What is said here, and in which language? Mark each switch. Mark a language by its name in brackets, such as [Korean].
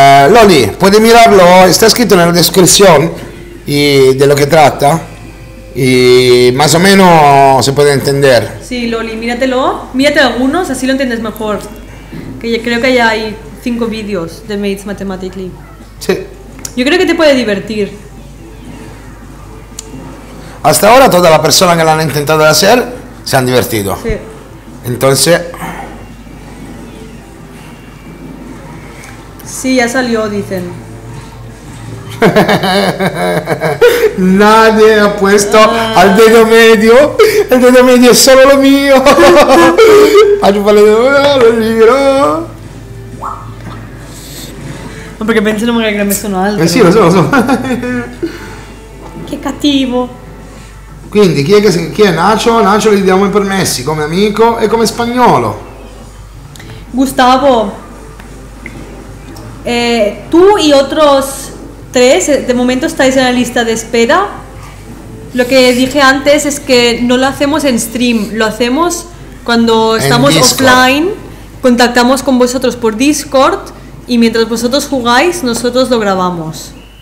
[Italian] Loli, puoi mirarlo, sta scritto nella descrizione di quello che tratta e più o meno si può intendere. Sì, [Spanish] Loli, míratelo, míratelo algunos, así lo entiendes mejor. Que yo creo que ya hay 5 videos de Mates Mathematically. [Italian] Sì. [Spanish] Yo creo que te puede divertir. Hasta ahora toda la persona que lo han intentado hacer se han divertido. [Italian] Sì. [Spanish] Entonces sí, ya salió, dicen. Nadie ha puesto al dedo medio. El dedo medio es solo lo mío. Lo no, porque pensé que me había sonado alto. [Italian] Sí, lo so, lo so. [Spanish] Qué cativo. [Italian] Quindi, chi è Nacho? Nacho gli diamo i permessi come amico e come spagnolo. Gustavo. [Spanish] Tú y otros tres, de momento estáis en la lista de espera. Lo que dije antes es que no lo hacemos en stream, lo hacemos cuando estamos offline, contactamos con vosotros por Discord y mientras vosotros jugáis, nosotros lo grabamos.